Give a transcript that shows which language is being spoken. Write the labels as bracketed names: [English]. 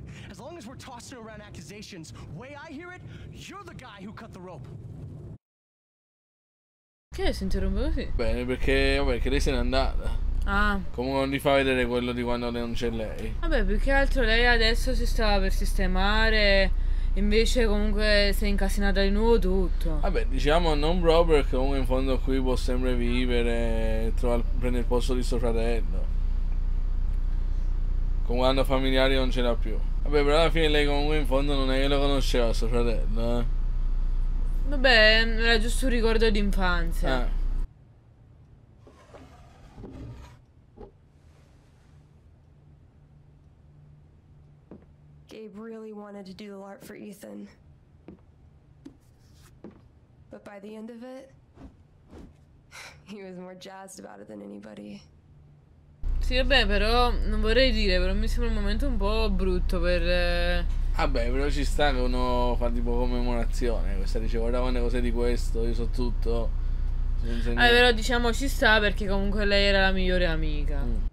[English] As long as we're tossing around accusations, way I hear it, you're the guy who cut the rope. [Italian] Che si interrompe così? Bene, perché vabbè, che lei se n'è andata. Ah. Comunque non gli fa vedere quello di quando non c'è lei. Vabbè, più che altro lei adesso si stava per sistemare, invece comunque si è incasinata di nuovo tutto. Vabbè, diciamo non proprio, perché comunque in fondo qui può sempre vivere, prende il posto di suo fratello. Comunque quando familiari non ce l'ha più. Vabbè, però alla fine lei comunque in fondo non è che lo conosceva suo fratello, eh. Vabbè, era giusto un ricordo d'infanzia. [English] Gabe really wanted to do the LARP for Ethan. But by the end of it, he was more jazzed about it than anybody. [Italian] Sì, vabbè, però non vorrei dire, però mi sembra un momento un po' brutto per... Vabbè, però ci sta che uno fa tipo commemorazione, questa dice guarda quante cose di questo, io so tutto. Però diciamo ci sta, perché comunque lei era la migliore amica.